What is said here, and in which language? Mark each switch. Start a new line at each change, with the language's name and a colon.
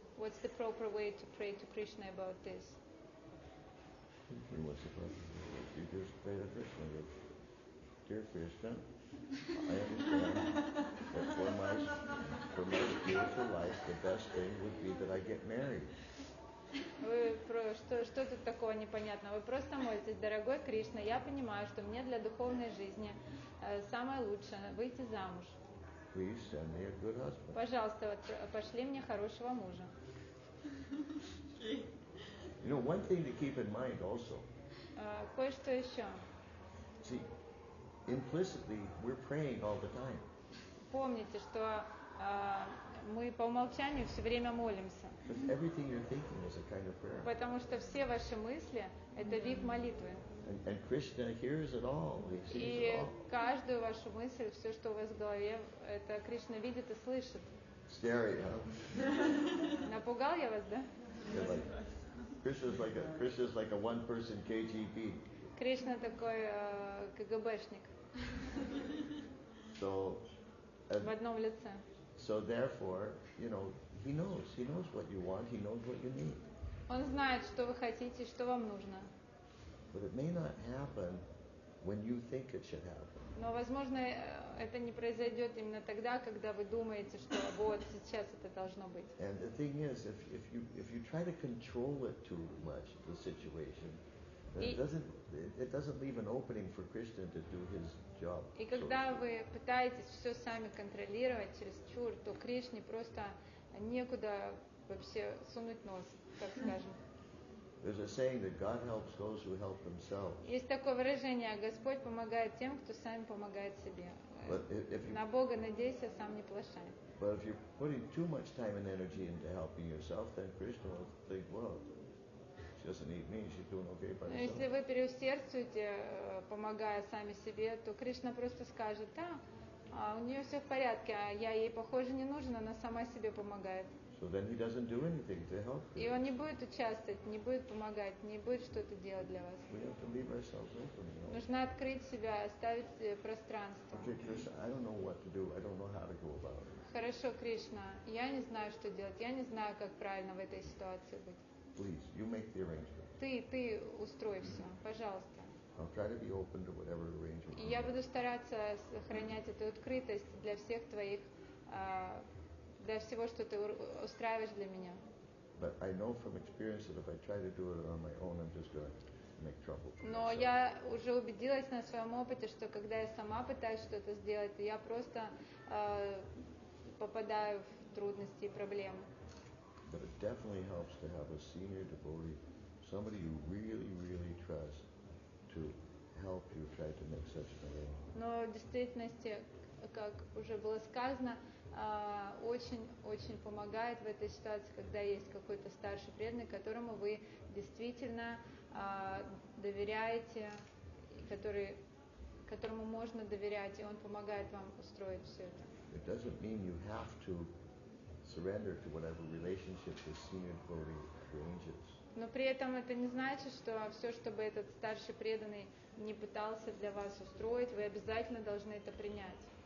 English: What's the proper way to pray to Krishna about this? You just pray to Krishna. Dear Krishna, I understand that for my beautiful life, the best thing would be that I get married.
Russian: Вы про что тут такого непонятного? Вы просто молитесь, дорогой Кришна, я понимаю, что мне для духовной жизни самое лучшее выйти замуж.
English: Please send me a good husband.
Russian: Пожалуйста, пошли мне хорошего мужа.
English: You know, one thing to keep in mind also.
Russian: Кое-что еще.
English: See, implicitly we're praying all the time.
Russian: Помните, что мы по умолчанию все время молимся.
English: Because everything you're thinking is a kind of prayer.
Russian: Потому что все ваши мысли это вид молитвы.
English: And Krishna hears it all. He sees
Russian: и
English: it all.
Russian: Каждую вашу мысль, все, что у вас в голове, это Кришна видит и слышит.
English: Scary, huh?
Russian: Напугал я вас, да?
English: Krishna's like a one-person KGB.
Russian: Кришна такой КГБшник.
English: So.
Russian: В одном лице.
English: So therefore, you know, he knows. He knows what you want. He knows what you need.
Russian: Он знает, что вы хотите, что вам нужно.
English: But it may not happen when you think it should happen.
Russian: Но возможно это не произойдет именно тогда, когда вы думаете, что вот сейчас это должно быть.
English: And the thing is, if you try to control it too much, the situation, then it doesn't leave an opening for Krishna to do his job.
Russian: И когда вы пытаетесь все сами контролировать через чур, то Кришне просто некуда вообще сунуть нос, так скажем.
English: There's a saying that God helps those who help themselves.
Russian: Есть такое выражение: Господь помогает тем, кто сам помогает себе.
English: But if you,
Russian: на Бога надейся, сам не плашай.
English: But if you're putting too much time and energy into helping yourself, then Krishna will think, well, she's doesn't need me, she's doing okay by herself.
Russian: Если вы переусердствуете, помогая сами себе, то Кришна просто скажет, да, у нее все в порядке, а я ей, похоже, не нужен, она сама себе помогает.
English: So then he doesn't do anything to help her.
Russian: И он не будет участвовать, не будет помогать, не будет что-то делать для вас.
English: We have to leave ourselves open, you know?
Russian: Нужно открыть себя, оставить пространство.
English: Okay, Krishna, I don't know what to do, I don't know how to go about it.
Russian: Хорошо, Кришна, я не знаю, что делать, я не знаю, как правильно в этой ситуации быть.
English: Please, you make the arrangement.
Russian: Ты устрой все, пожалуйста.
English: I'll try to be open to whatever arrangement.
Russian: И я буду стараться сохранять эту открытость для всех твоих, для всего, что ты устраиваешь для меня.
English: But I know from experience that if I try to do it on my own, I'm just going to make trouble.
Russian: Но я уже убедилась на своем опыте, что когда я сама пытаюсь что-то сделать, я просто попадаю в трудности и проблемы.
English: But it definitely helps to have a senior devotee, somebody you really, really trust, to help you try to make such an arrangement.
Russian: Но в действительности, как уже было сказано, очень-очень помогает в этой ситуации, когда есть какой-то старший преданный, которому вы действительно доверяете, которому можно доверять, и он помогает вам устроить все это.
English: It doesn't mean you have to surrender to whatever relationship the senior devotee arranges.
Russian: Но при этом это не значит, что все, что бы этот старший преданный не пытался для вас устроить, вы обязательно должны это принять.